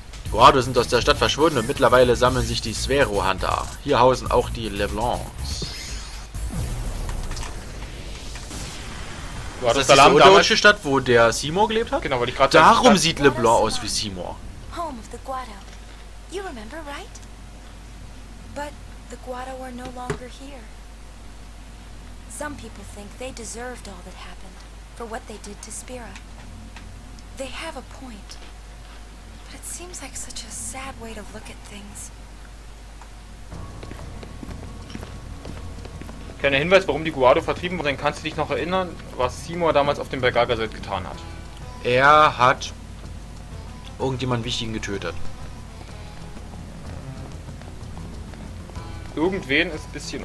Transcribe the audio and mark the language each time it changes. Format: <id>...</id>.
<de>Guardo sind aus der Stadt verschwunden und mittlerweile sammeln sich die Sphero-Hunter. Hier hausen auch die Leblancs. Guardo ist Salam, die deutsche Stadt, wo der Seymour gelebt hat? Genau, weil ich gerade... Darum sieht Leblanc aus wie Seymour.</de> <en>Home of the Guardo. You remember, right? But the Guardo are no longer here. Some people think they deserved all that happened for what they did to Spira. They have a point. It seems like such a sad way to look at things.</en> <de>Kleiner Hinweis, warum die Guardo vertrieben wurden. Kannst du dich noch erinnern, was Seymour damals auf dem Bergagaset getan hat? Er hat irgendjemanden Wichtigen getötet. Irgendwen ist ein bisschen</de>